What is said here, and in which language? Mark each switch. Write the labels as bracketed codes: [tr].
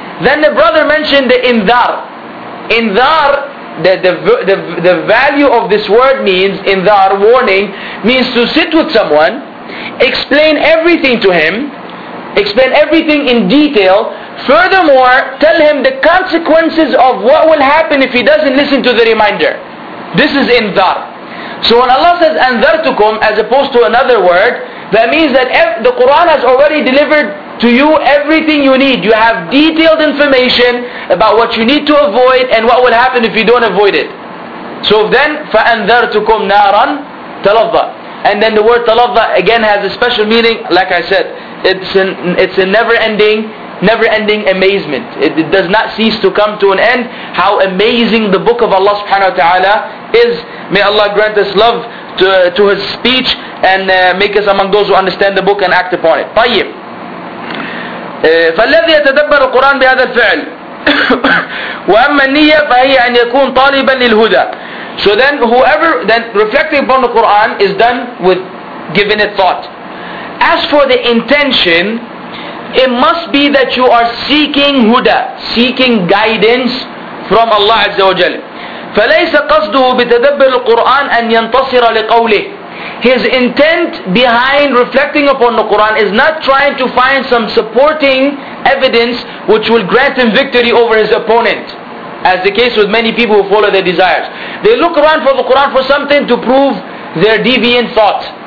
[en] Then the brother mentioned the indhar. Indhar, the value of this word means, indhar, warning, means to sit with someone, explain everything to him, explain everything in detail, furthermore, tell him the consequences of what will happen if he doesn't listen to the reminder. This is indhar. So when Allah says anzartukum, as opposed to another word, that means that the Quran has already delivered to you everything you need. You have detailed information about what you need to avoid and what will happen if you don't avoid it. So then, [ar] فَأَنذَرْتُكُمْ نَارًا تَلَظَّى. [en] And then the word تَلَظَّى again has a special meaning. Like I said, it's a never-ending amazement. It does not cease to come to an end. How amazing the book of Allah subhanahu wa ta'ala is. May Allah grant us love to His speech and make us among those who understand the book and act upon it. [ar] طيب. فالذي يتدبر القرآن بهذا الفعل وأما النية فهي أن يكون طالبا للهدى. [en] So then reflecting upon the Quran is done with giving it thought. As for the intention, it must be that you are seeking huda, seeking guidance from Allah Azza wa Jalla. [ar] فليس قصده بتدبر القرآن أن ينتصر لقوله. [en] His intent behind reflecting upon the Quran is not trying to find some supporting evidence which will grant him victory over his opponent, as the case with many people who follow their desires. They look around for the Quran for something to prove their deviant thought.